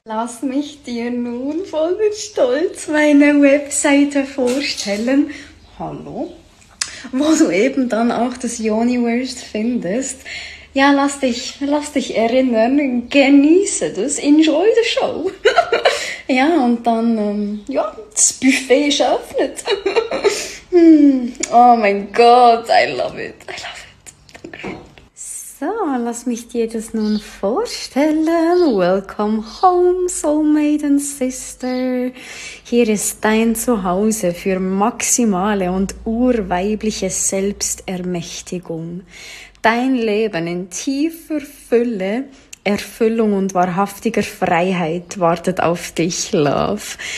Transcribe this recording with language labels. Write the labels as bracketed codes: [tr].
[de] Lass mich dir nun voller Stolz meine Webseite vorstellen. Hallo. wo du eben dann auch das Yoniverse findest. Ja, lass dich erinnern, genieße das, [en] enjoy the show. [de] Ja, und dann, ja, das Buffet ist eröffnet. Oh mein Gott, [en] I love it, I love it. [de] So, lass mich dir das nun vorstellen. [en] Welcome home, Soul Maiden Sister. [de] Hier ist dein Zuhause für maximale und urweibliche Selbstermächtigung. Dein Leben in tiefer Fülle, Erfüllung und wahrhaftiger Freiheit wartet auf dich, Love.